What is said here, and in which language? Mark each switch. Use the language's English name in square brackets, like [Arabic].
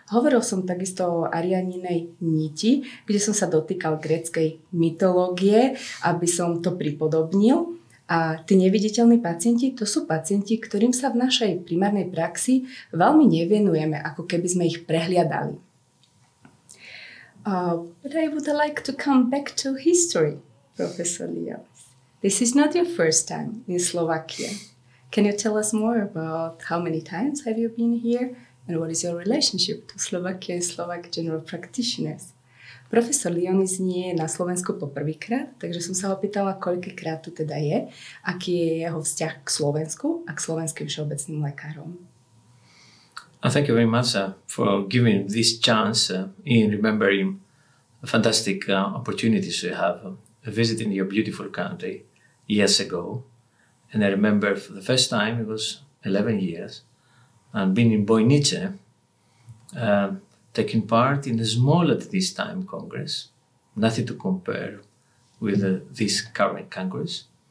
[Slovak] Hovoril som takisto o Arianinej niti, kde som sa dotýkal gréckej mytológie, aby som to pripodobnil. A tí neviditeľní pacienti, to sú pacienti, ktorým sa v našej primárnej praxi veľmi nevenujeme, ako keby sme ich prehliadali. [English] But I would like to come back to history, Professor Leo. This is not your first time in Slovakia. Can you tell us more about how many times have you been here and what is your relationship to Slovakia and Slovak general practitioners? [Slovak] Profesor Lyonis nie je na Slovensku poprvýkrát, takže som sa ho pýtala, koľkýkrát tu teda je, aký je jeho vzťah k Slovensku a k slovenským všeobecným lekárom. [English] Thank you very much for giving this chance in remembering the fantastic opportunities we have visiting your beautiful country years ago. And I remember for the first time, it was 11 years, and being in Bojnice, taking part in a small at this time Congress, nothing to compare with this current Congress.